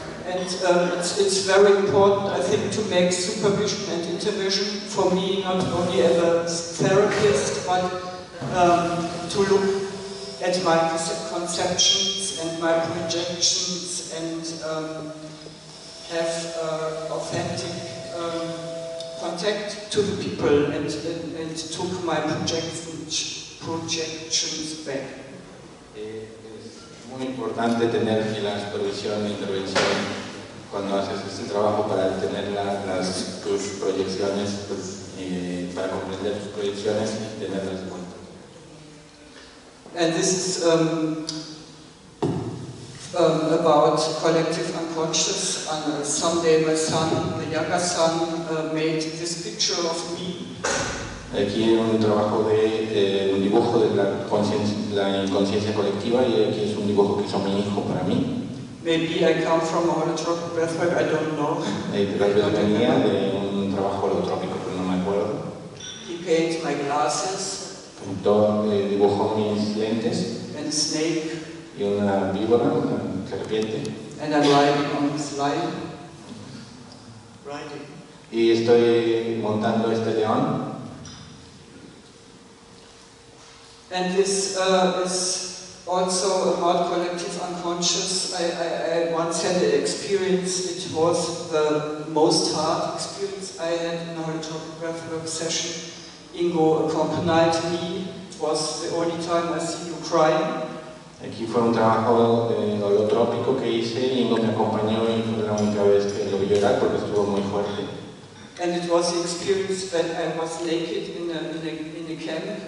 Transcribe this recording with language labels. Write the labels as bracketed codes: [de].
[en] It's very important, I think, to make supervision and intervention for me, not only as a therapist, but to look at my conceptions and my projections and have authentic contact to the people and took my projections back. [es] Es muy importante tener la supervisión e intervención cuando haces este trabajo para tener tus proyecciones, pues, para comprender tus proyecciones y tenerlas en cuenta. [en] And this is about collective unconscious. And someday my son, the younger son, made this picture of me. [es] Aquí es un trabajo de un dibujo de la inconsciencia colectiva y aquí es un dibujo que hizo mi hijo para mí. [en] Maybe I come from a holotropic birthway, I don't know. [es] Tal vez venía de un trabajo holotrópico, pero no me acuerdo. [en] He painted my glasses. [es] Dibujó mis lentes. [en] And a snake. [es] Y una víbora, una serpiente. [en] And I'm riding on this lion. Riding. [es] Y estoy montando este león. [en] And this is also about collective unconscious. I once had an experience. It was the most hard experience I had in a holotropic breathwork session. Ingo accompanied me. It was the only time I see you crying. [es] Aquí fue un trabajo holotrópico que hice. Ingo me acompañó y fue la única vez que lo vi llorar porque estuvo muy fuerte. [en] And it was the experience that I was naked in a camp.